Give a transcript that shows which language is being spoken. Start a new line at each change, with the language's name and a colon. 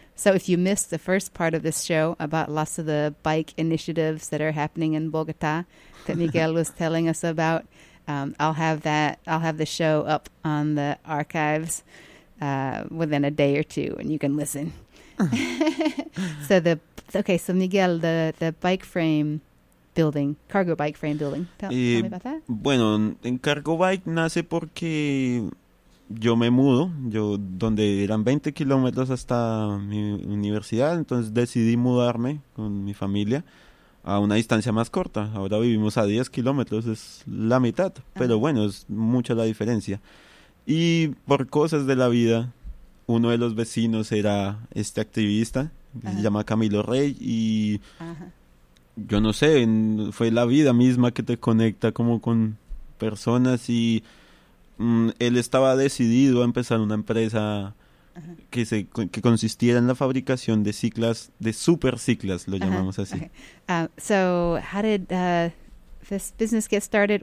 English: So if you missed the first part of this show about lots of the bike initiatives that are happening in Bogota that Miguel was telling us about, I'll have the show up on the archives within a day or two, and you can listen. So Miguel, the bike frame building, cargo bike frame building, tell me about that.
Spanish: Bueno, en cargo bike nace porque yo me mudo, yo donde eran 20 kilómetros hasta mi universidad, entonces decidí mudarme con mi familia a una distancia más corta. Ahora vivimos a 10 kilómetros, es la mitad, pero bueno, es mucha la diferencia. Y por cosas de la vida, uno de los vecinos era este activista, se llama Camilo Rey, y yo no sé, fue la vida misma que te conecta como con personas y él estaba decidido a empezar una empresa que consistiera en la fabricación de ciclas, de super ciclas, lo llamamos así.
English: Okay. So how did this business get started?